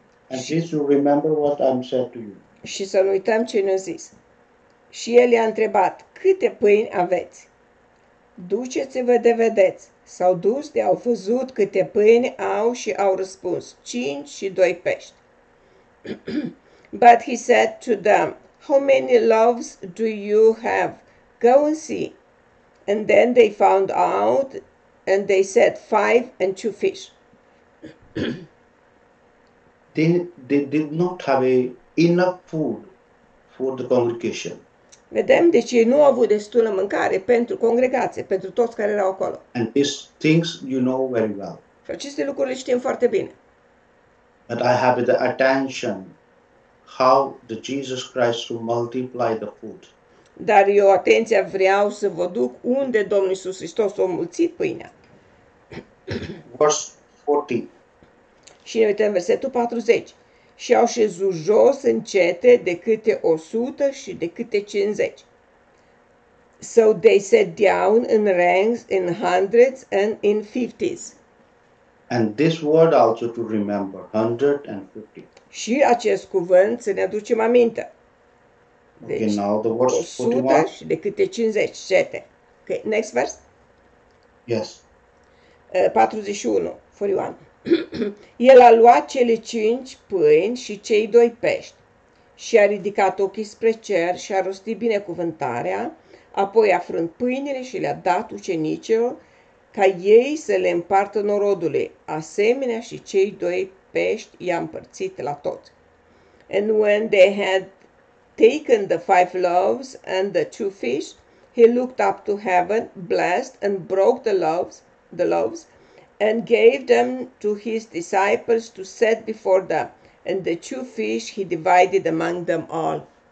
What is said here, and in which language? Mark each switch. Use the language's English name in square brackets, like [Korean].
[English] And please you remember what I'm said to you. [Romanian] Și să nu uităm ce ne-a zis. Și el i-a întrebat, câte pâini aveți? Duceți-vă de vedeți. S-au dus de au văzut câte pâini au și au răspuns, 5 și 2 pești. [English] But he said to them, how many loaves do you have? Go and see. And then they found out, and they said, 5 and 2 fish. They did not have enough food for the congregation. [Romanian] Vedem, deci ei nu au avut destulă mâncare pentru congregație, pentru toți care erau acolo. [English] And these things you know very well. [Romanian] Și aceste lucruri le știm foarte bine. [English] But I have the attention how the Jesus Christ will multiply the food. [Romanian] Dar eu atenția vreau să vă duc unde Domnul Iisus Hristos a mulțit pâinea. [English] Verse 40. [Romanian] Și ne uităm versetul 40. Și au șezut jos încete de câte 100 și de câte 50. [English] So they sat down in ranks in hundreds and in fifties. And this word also to remember, 150. [Romanian] Și acest cuvânt să ne aducem aminte. [English] Deci, okay, now the verse 100 41. [Romanian] Și de câte 50, șete. [English] Okay, next verse. Yes. 41, 41. [Romanian] El a luat cele 5 pâini și cei 2 pești și a ridicat ochii spre cer și a rostit binecuvântarea, apoi a frânt pâinile și le-a dat ucenicilor ca ei să le împartă norodului. Asemenea și cei 2 pești i-a împărțit la toți. [English] And when they had taken the 5 loaves and the 2 fish, he looked up to heaven, blessed and broke the loaves, and gave them to his disciples to set before them, and the 2 fish he divided among them all.